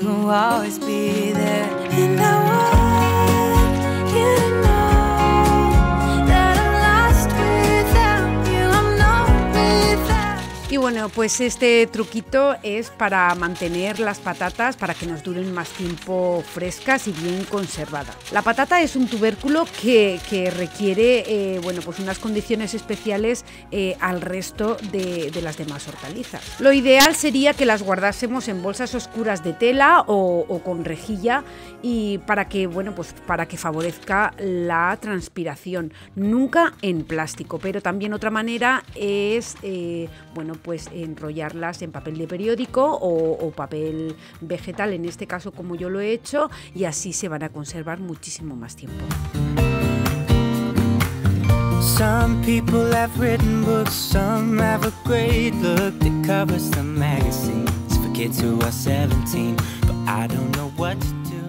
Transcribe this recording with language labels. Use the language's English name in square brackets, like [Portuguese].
[English] Always be there. And I want you to know that I'm lost without you. I'm not without. [Spanish] Y bueno, pues este truquito es para mantener las patatas para que nos duren más tiempo frescas y bien conservadas. La patata es un tubérculo que requiere pues unas condiciones especiales al resto de las demás hortalizas. Lo ideal sería que las guardásemos en bolsas oscuras de tela o con rejilla y para que favorezca la transpiración. Nunca en plástico, pero también otra manera es enrollarlas en papel de periódico o papel vegetal, en este caso como yo lo he hecho, y así se van a conservar muchísimo más tiempo. [English] Some people have written books, some have a great look that covers the magazines for kids who are 17, but I don't know what to do.